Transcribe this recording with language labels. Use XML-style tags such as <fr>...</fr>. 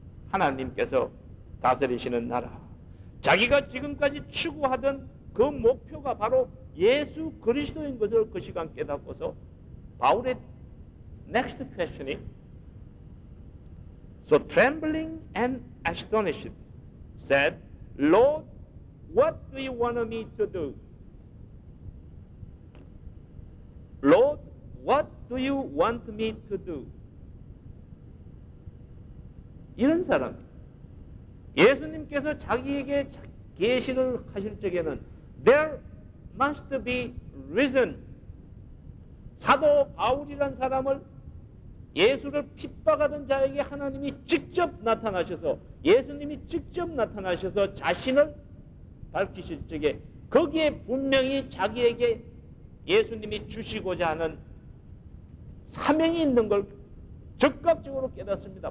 <ko>하나님께서 다스리시는 나라, 자기가 지금까지 추구하던 그 목표가 바로 예수 그리스도인 것을 그 시간 깨닫고서 바울의</ko> <en>next question이 So trembling and astonished said, Lord, what do you want me to do? Lord, what do you want me to do?</en> <ko>이런 사람, 예수님께서 자기에게 계시를 하실 적에는</ko> <en>There must be reason.</en> <ko>사도 바울이란 사람을 예수를 핍박하던 자에게 하나님이 직접 나타나셔서 예수님이 직접 나타나셔서 자신을 밝히실 적에 거기에 분명히 자기에게 예수님이 주시고자 하는 사명이 있는 걸 즉각적으로 깨닫습니다.</ko>